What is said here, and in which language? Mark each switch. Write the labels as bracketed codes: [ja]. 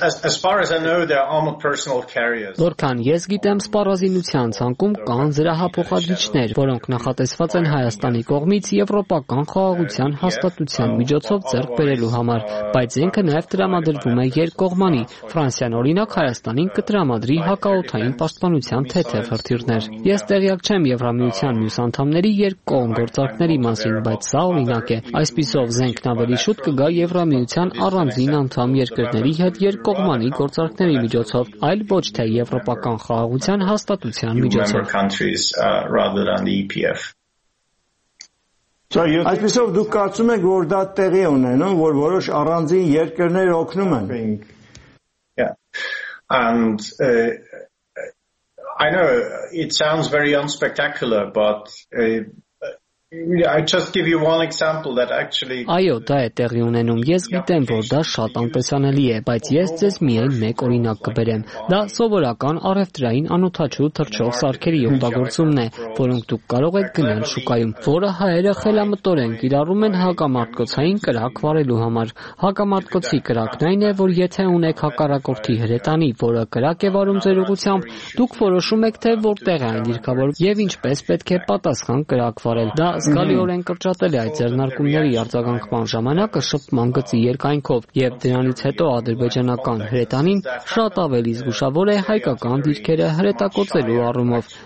[en] As far as I know, there are armored personnel carriers. [hy] Որքան ես գիտեմ, սպառազինության ցանկում կան զրահափոխադրիչներ, որոնք նախատեսված են Հայաստանի կողմից եվրոպական խաղաղության հաստատության միջոցով ձեռք բերելու համար, բայց ինքը նաև տրամադրվում է երկկողմանի, Ֆրանսիան օրինակ Հայաստանին կտրամադրի Մադրի հակաօթային պաշտպանության թեթև հրթիռներ։ Ես տեղյակ չեմ Եվրամիության մյուս անդամների երկկողմ գործարքների մասին, բայց սա օրինակ է։ Այսպիսով զենքն ավելի շուտ կգա Եվրամիության առանձին անդամ երկրների հետ երկկողմանի գործարքների միջոցով, այլ ոչ թե եվրոպական խաղաղության հաստատության միջոցով։ Այսպիսով դուք կարծում եք, որ դա տեղի ունենում, որ որոշ առանձին երկրներ օգնում են։ [en] And I know it sounds very unspectacular, but I just give you one example that actually. [hy] Այո, դա է տեղի ունենում, ես գիտեմ, որ դա շատ անտեսանելի է, բայց ես ձեզ միայն մեկ օրինակ կբերեմ, դա սովորական առևտրային անոթաչու թռչող սարքերի օգտագործումն է, որոնք դուք կարող եք գնել շուկայում, որը հայերը խելամտորեն կիրառում են հակամարտկոցային կրակ վարելու համար, հակամարտկոցի կրակն այն է, որ եթե ունեք հակառակորդի հրետանի, որը կրակ է վարում ձեր ուղությամբ, դուք որոշում եք, թե որտեղ է այն դիրքավորվում և ինչպես պետք է պատասխան կրակ վարել։ Դա զգալիորեն կրճատել է այդ ձեռնարկումների արձագանքման ժամանակը շփման գծի երկայնքով, և դրանից հետո ադրբեջանական հրետանին շատ ավելի զգուշավոր է հայկական դիրքերը հրետակոծելու առումով,